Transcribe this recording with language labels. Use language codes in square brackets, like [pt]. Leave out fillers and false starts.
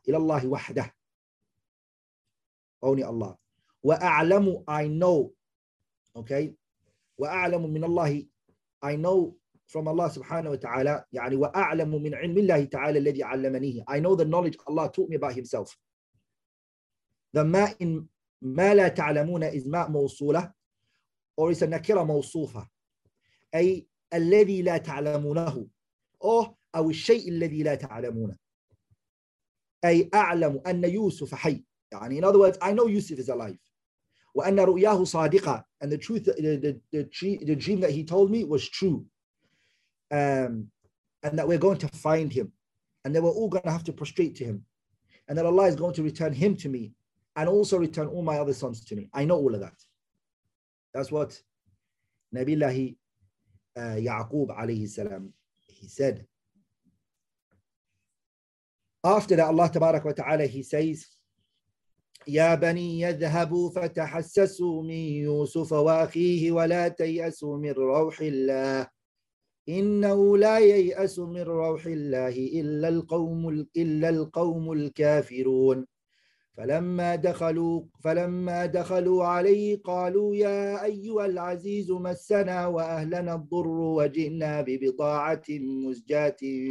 [ar] إلى الله وحده, [en] only Allah. وأعلم, I know. Okay. [ar] وأعلم من الله, [en] I know from Allah subhanahu wa ta'ala. [ar] يعني وأعلم من علم الله تعالى الذي علمنيه. [en] I know the knowledge Allah taught me about himself. The ما in [ar] ما لا تعلمون [en] is ما موصولة or is a نكرة موصوفة. [ar] أي الذي لا تعلمونه. Oh, أو الشيء الذي لا تعلمونه. أي أعلم أن يوسف حي. [en] يعني in other words, I know Yusuf is alive. [ar] وأن رؤياه صادقة. [en] And the truth, the dream that he told me was true. And that we're going to find him. And that we're all going to have to prostrate to him. And that Allah is going to return him to me. And also return all my other sons to me. I know all of that. That's what Nabi Allah Yaqub alayhi salam, he said. After that, Allah tabarak wa ta'ala, he says, [ar] يَا بَنِي يَذْهَبُوا فَتَحَسَّسُوا مِنْ يُوسُفَ وَأَخِيهِ وَلَا تَيْأَسُوا مِنْ رَوْحِ اللَّهِ إِنَّهُ لَا يَيْأَسُ مِنْ رَوْحِ اللَّهِ إِلَّا الْقَوْمُ الْكَافِرُونَ فَلَمَّا دَخَلُوا عَلَيْهِ قَالُوا يَا أَيُّهَا الْعَزِيزُ مَسَّنَا وَأَهْلَنَا الضُّرُّ وَجِئْنَا بِبِضَاعَةٍ مُزْجَاةٍ